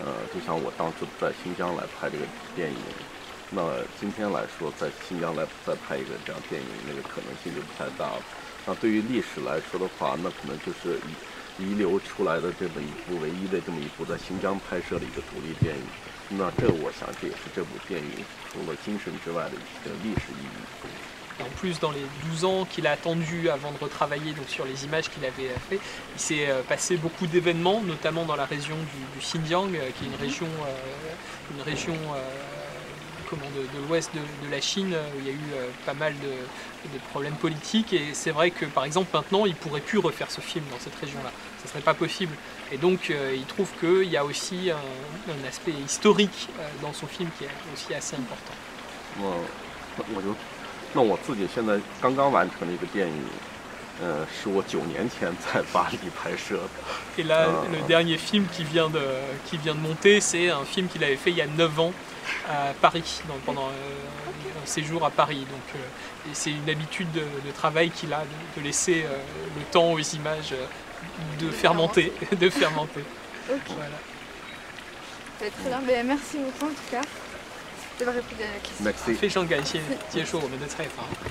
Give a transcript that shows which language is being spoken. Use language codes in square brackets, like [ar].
[zh] 就像我当初在新疆来拍这个电影，那今天来说在新疆来再拍一个这样电影，那个可能性就不太大了。那对于历史来说的话，那可能就是遗留出来的这么一部唯一的这么一部在新疆拍摄的一个独立电影，那这我想这也是这部电影除了精神之外的一个历史意义。 [fr] En plus, dans les 12 ans qu'il a attendu avant de retravailler donc, sur les images qu'il avait fait, il s'est passé beaucoup d'événements, notamment dans la région du Xinjiang, qui est une région de l'ouest de la Chine, où il y a eu pas mal de problèmes politiques. Et c'est vrai que, par exemple, maintenant, il ne pourrait plus refaire ce film dans cette région-là. Ce ne serait pas possible. Et donc, il trouve qu'il y a aussi un aspect historique dans son film qui est aussi assez important. Bonjour. [zh] 那我自己现在刚刚完成了一个电影，是我九年前在巴黎拍摄的。 [fr] Et là, le dernier film qui vient de monter, c'est un film qu'il avait fait il y a 9 ans à Paris, donc pendant un séjour à Paris. Donc, c'est une habitude de travail qu'il a de laisser le temps aux images de fermenter. Ok. Voilà. Très bien. Mais merci beaucoup en tout cas. Merci. [zh] 非常感谢接受我们的采访。